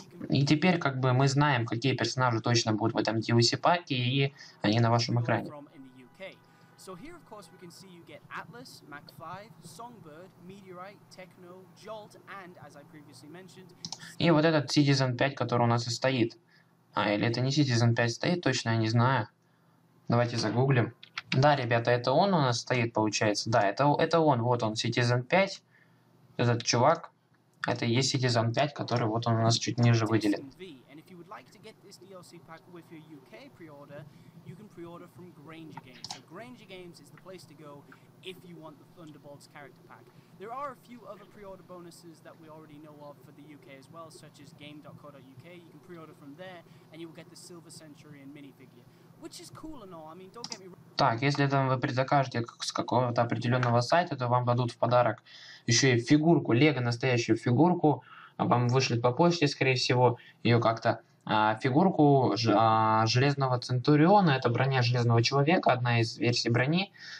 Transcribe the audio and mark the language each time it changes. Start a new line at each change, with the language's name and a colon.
Russian: И теперь как бы мы знаем, какие персонажи точно будут в этом DLC паке, и они на вашем экране.
English: So here, of course, we can see you get Atlas, Mach 5, Songbird, Meteorite, Techno, Jolt, and, as I previously mentioned...
Russian: И вот этот Citizen 5, который у нас и стоит. А, или это не Citizen 5 стоит, точно я не знаю. Давайте загуглим. Да, ребята, это он у нас стоит, получается. Да, это он, вот он, Citizen 5. Этот чувак. Это и есть Citizen 5, который вот он у нас чуть ниже выделен.
English: And if you would like to get this DLC pack with your UK pre-order... You can pre-order from Granger Games. So Granger Games is the place to go if you want the Thunderbolts character pack. There are a few other pre-order bonuses that we already know of for the UK as well, such as game.co.uk. You can pre-order from there, and you will get the Silver Centurion minifigure, which is cool and all. I mean, don't get me wrong.
Russian: Так, если это вы предзакажете с какого-то определенного сайта, то вам дадут в подарок еще и фигурку, Лего настоящую фигурку. Вам вышлет по почте, скорее всего, ее как-то. Фигурку железного Центуриона, это броня железного человека, одна из версий брони.